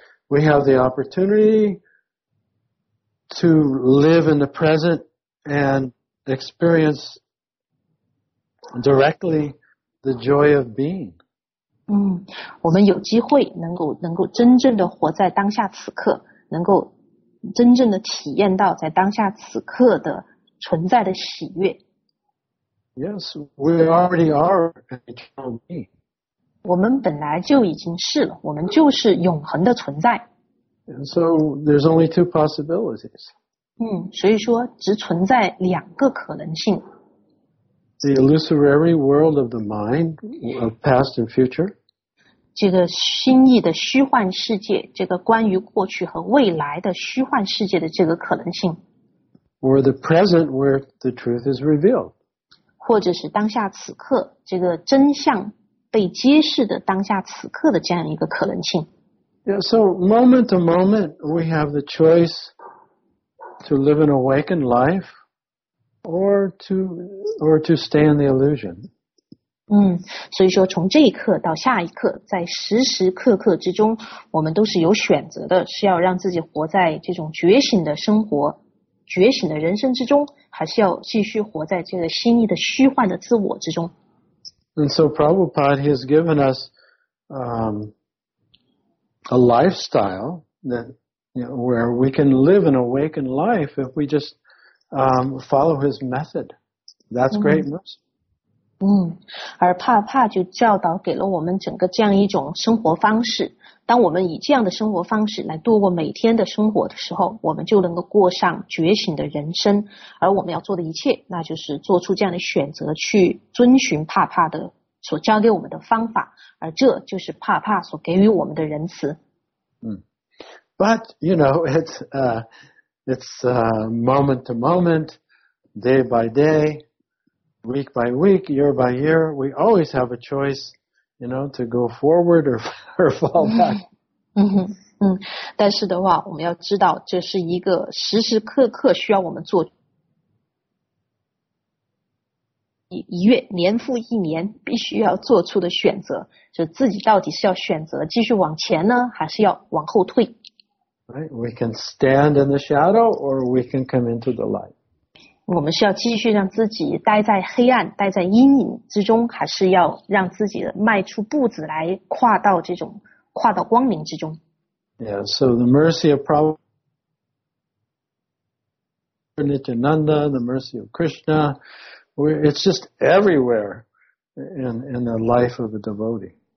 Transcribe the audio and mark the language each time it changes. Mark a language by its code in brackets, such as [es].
[en] We have the opportunity to live in the present and experience directly. The joy of being. [zh] 我们有机会能够真正的活在当下此刻，能够真正的体验到在当下此刻的存在的喜悦。 [en] Yes, we already are an eternal being. [zh] 我们本来就已经是了，我们就是永恒的存在。 [en] And so there's only two possibilities. [zh] 所以说只存在两个可能性。 [en] The illusory world of the mind, of past and future. [zh] 这个心意的虚幻世界，这个关于过去和未来的虚幻世界的这个可能性。 [en] Or the present where the truth is revealed. [zh] 或者是当下此刻，这个真相被揭示的当下此刻的这样一个可能性。 [en] Yeah, so moment to moment, we have the choice to live an awakened life or to stay in the illusion. [zh] 所以说从这一刻到下一刻，在时时刻刻之中，我们都是有选择的，是要让自己活在这种觉醒的生活、觉醒的人生之中，还是要继续活在这个心意的虚幻的自我之中。 [en] And so Prabhupada has given us a lifestyle that, you know, where we can live an awakened life if we just follow his method. That's great mercy. [zh] 而帕就教导给了我们整个这样一种生活方式。当我们以这样的生活方式来度过每天的生活的时候，我们就能够过上觉醒的人生。而我们要做的一切，那就是做出这样的选择，去遵循帕的所教给我们的方法，而这就是帕所给予我们的仁慈。 [en] But you know, it's moment to moment, day by day, week by week, year by year. We always have a choice, you know, to go forward or fall back. [zh] 但是的话，我们要知道，这是一个时时刻刻需要我们做。一月年复一年必须要做出的选择，就自己到底是要选择继续往前呢，还是要往后退。 [en] Right, we can stand in the shadow or we can come into the light. [zh] 我们是要继续让自己待在黑暗，待在阴影之中，还是要让自己迈出步子来跨到这种跨到光明之中。 [en] Yeah, so the mercy of Prabhupada, Nityananda, the mercy of Krishna, it's just everywhere in the life of a devotee.